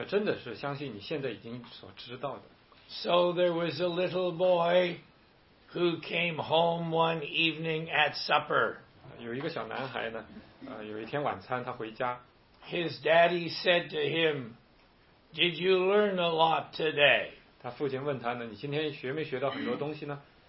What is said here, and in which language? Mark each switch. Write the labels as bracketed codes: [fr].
[zh] 所以如果你要相信更多，你要真的是相信你现在已经所知道的。 [en] So there was a little boy who came home one evening at supper. [zh] 有一个小男孩呢，有一天晚餐他回家。 [en] His daddy said to him, did you learn a lot today? [zh] 他父亲问他呢，你今天学没学到很多东西呢？